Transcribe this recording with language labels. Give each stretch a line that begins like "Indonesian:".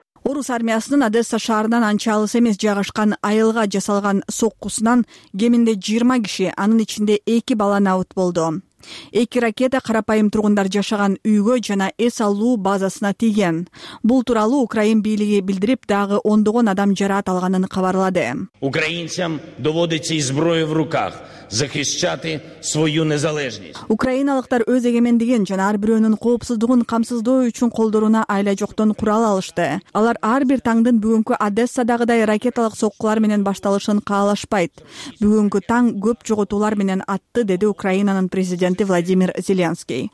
Kyrgyz: Орус армиясынын Одесса шаарынан анча алыс эмес жайгашкан айылга жасалган соккусунан кеминде 20 киши, анын ичинде 2 бала набыт болду. Эки ракета карапайым тургундар жашаган үйгө жана эс алуу базасына тийген. Бул тууралуу Украин бийлиги билдирип, дагы ондогон адам жараат алганын кабарлады.
Russian: Украинцам доводится и зброю в руках защищать свою независимость.
Kyrgyz: Украиналыктар өз эгемендигин жана ар бирөөнүн коопсуздугун камсыздоо үчүн колдоруна айла жоктон курал алышты. Алар ар бир таңдын бүгүнкү Одессадагыдай ракеталык соккулар менен башталышын каалашпайт. Бүгүнкү таң көп жоготуулар менен атты, деди Украинанын президенти Владимир Зеленский.